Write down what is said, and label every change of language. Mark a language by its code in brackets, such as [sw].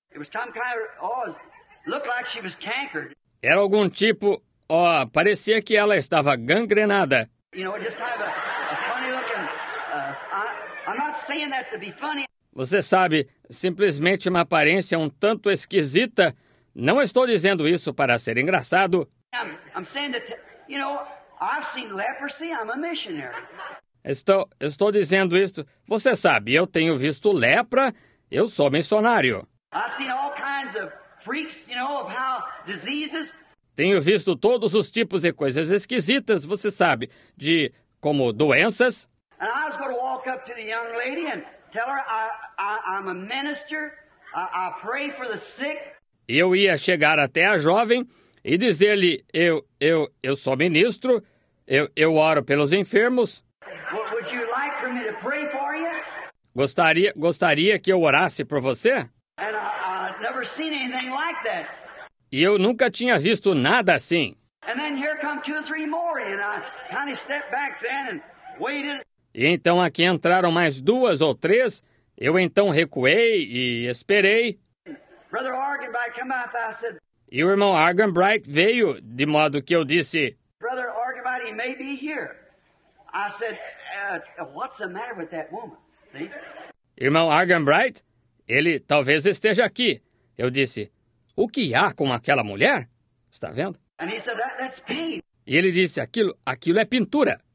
[en] It was some kind of, looked like she was cankered. [pt] Era algum tipo, parecia que ela estava gangrenada. [en] You know, just kind of a funny looking, I'm not saying that to be funny. [pt] Você sabe, simplesmente uma aparência um tanto esquisita, não estou dizendo isso para ser engraçado. [en] I'm saying that. You know, I've seen leprosy, I'm a missionary. [pt] Estou dizendo isto. Você sabe, eu tenho visto lepra, eu sou missionário. [en] I've seen all kinds of freaks, you know, of how diseases. [pt] Tenho visto todos os tipos de coisas esquisitas, você sabe, de como doenças. [en] And I was going to walk up to the young lady and tell her I'm a minister, I pray for the sick. [pt] Eu ia chegar até a jovem e dizer-lhe, eu sou ministro, eu oro pelos enfermos. [en] Would you like for me to pray for you? [pt] Gostaria que eu orasse por você? [en] And I've never seen anything like that. [pt] E eu nunca tinha visto nada assim. [en] And then here come two or three more, and I kind of stepped back then and waited. [pt] E então aqui entraram mais duas ou três. Eu então recuei e esperei. [en] Brother Argenbright came up, I said. [pt] E o irmão Argenbright veio, de modo que eu disse: [en] Brother Argenbright, he may be here. I said, what's the matter with that woman? See? [pt] Irmão Argenbright, ele talvez esteja aqui. Eu disse: o que há com aquela mulher? Está vendo? [en] And he said, that's paint. [pt] E ele disse: aquilo é pintura.